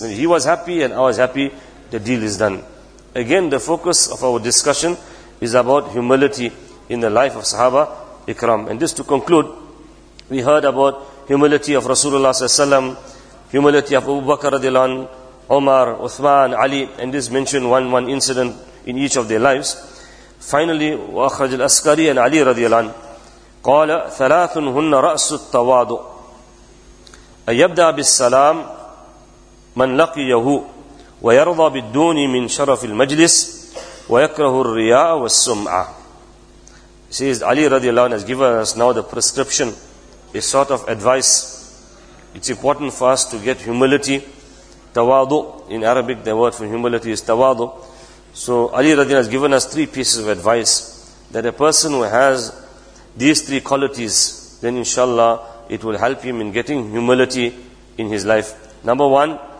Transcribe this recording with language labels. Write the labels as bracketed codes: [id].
[en] When he was happy and I was happy, the deal is done. Again, the focus of our discussion is about humility in the life of Sahaba Ikram. And just to conclude, we heard about humility of Rasulullah sallallahu alayhi wa sallam, humility of Abu Bakr radiallahu anhu, Omar, Uthman, Ali, and this mentioned one incident in each of their lives. Finally, [ar] وَأَخْرَجَ الْأَسْكَرِي [en] and Ali radiallahu anhu, [ar] قَالَ ثَلَاثٌ هُنَّ رَأْسُ التَّوَادُ أَيَبْدَى بِالسَّلَامِ مَنْ لَقِيَهُ وَيَرْضَى بِالدُّونِ مِنْ شَرَفِ الْمَجْلِسِ وَيَكْرَهُ الرِّيَاءَ وَالسُّمْعَةِ. [en] Says Ali radiallahu anhu has given us now the prescription, a sort of advice. It's important for us to get humility. Tawadu, in Arabic, the word for humility is tawadu. So Ali radiallahu anhu has given us 3 pieces of advice, that a person who has these 3 qualities, then inshallah, it will help him in getting humility in his life. Number one,